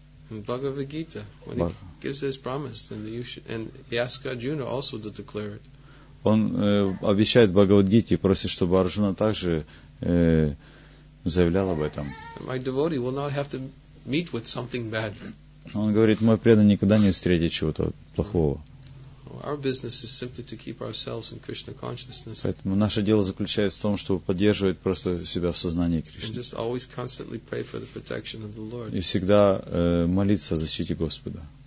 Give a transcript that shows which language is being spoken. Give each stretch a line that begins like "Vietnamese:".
English: In Bhagavad Gita, when he gives his promise, then you should, and he asks Arjuna also to declare it.
Russian: Он обещает в Бхагавад-гите и просит, чтобы Арджуна также заявлял об этом.
English: My devotee will not have to meet with something bad.
Russian: Он говорит, мой преданный никогда не встретит чего-то плохого.
English: Our business is simply to keep ourselves in Krishna consciousness.
Russian: Поэтому наше дело заключается в том, чтобы поддерживать просто себя в сознании Кришны.
English: And just always constantly pray for the protection of the Lord.
Russian: И всегда молиться о защите Господа.